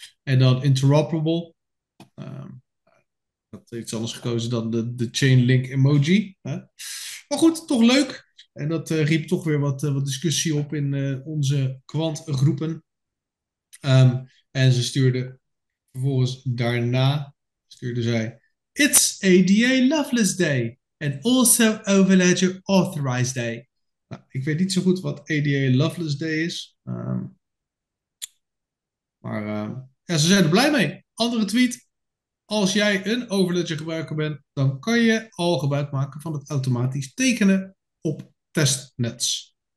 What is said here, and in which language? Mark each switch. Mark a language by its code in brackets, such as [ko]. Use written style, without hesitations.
[nl] En dan interoperable. Dat heeft iets anders gekozen dan de chain link emoji. Hè? Maar goed, toch leuk. En dat riep toch weer wat discussie op in onze kwantgroepen. En ze stuurde vervolgens daarna, stuurde zij, [en] it's ADA Loveless Day. And also Overledger Authorized Day. [nl] Nou, ik weet niet zo goed wat ADA Loveless Day is. Maar ze zijn er blij mee. Andere tweet. Als jij een Overledger gebruiker bent, dan kan je al gebruik maken van het automatisch tekenen op testnets.